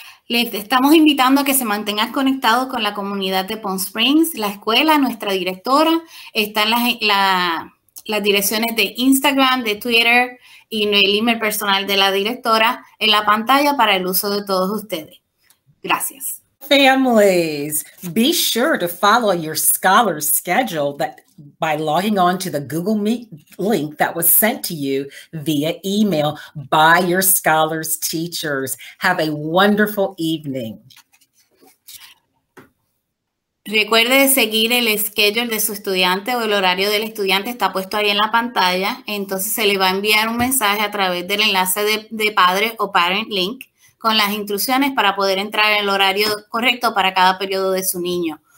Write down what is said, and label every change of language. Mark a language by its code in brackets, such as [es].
[es] Les estamos invitando a que se mantengan conectados con la comunidad de Palm Springs, la escuela, nuestra directora. Están las direcciones de Instagram, de Twitter y el email personal de la directora en la pantalla para el uso de todos ustedes. Gracias. [en] Families, be sure to follow your scholar's schedule that by logging on to the Google Meet link that was sent to you via email by your scholar's teachers. Have a wonderful evening. [es] Recuerde de seguir el schedule de su estudiante o el horario del estudiante está puesto ahí en la pantalla. Entonces se le va a enviar un mensaje a través del enlace de padre o parent link con las instrucciones para poder entrar en el horario correcto para cada periodo de su niño.